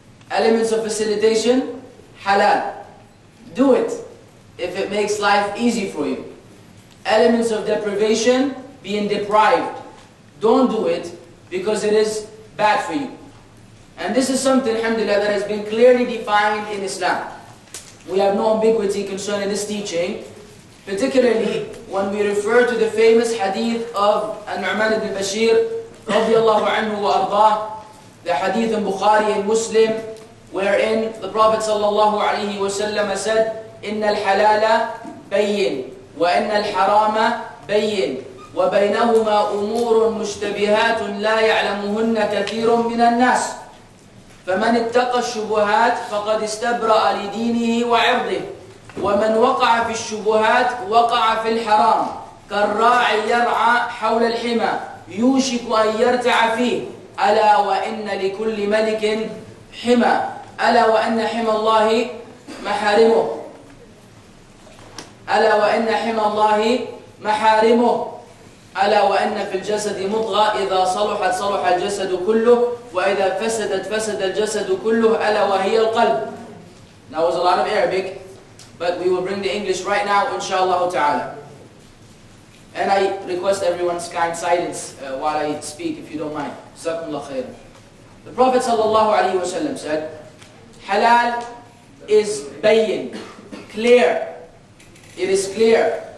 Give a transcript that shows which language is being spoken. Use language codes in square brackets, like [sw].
[en] Elements of facilitation, halal. Do it if it makes life easy for you. Elements of deprivation, being deprived. Don't do it because it is bad for you. And this is something, alhamdulillah, that has been clearly defined in Islam. We have no ambiguity concerning this teaching, particularly when we refer to the famous hadith of Al-Numan bin Basheer, radiallahu anhu wa ardah, the hadith in Bukhari and Muslim, wherein the Prophet sallallahu alayhi wa sallam said, [ar] إِنَّ الْحَلَالَ بَيِّنْ وَإِنَّ الْحَرَامَ بَيِّنْ وَبَيْنَهُمَا أُمُورٌ مُشْتَبِهَاتٌ لَا يَعْلَمُهُنَّ كَثِيرٌ مِنَ النَّاسِ فمن اتقى الشبهات فقد استبرأ لدينه وعرضه ومن وقع في الشبهات وقع في الحرام كالراعي يرعى حول الحمى يوشك أن يرتع فيه ألا وإن لكل ملك حمى ألا وإن حمى الله محارمه ألا وإن حمى الله محارمه ألا وأن في الجسد مضغة إذا صلحت صلح الجسد كله وإذا فسدت فسد الجسد كله ألا وهي القلب. [en] That was a lot of Arabic, but we will bring the English right now, inshallah ta'ala. And I request everyone's kind silence while I speak, if you don't mind. Jazakum Allah khair. The Prophet sallallahu alayhi wa sallam said, halal is bayin, clear. It is clear.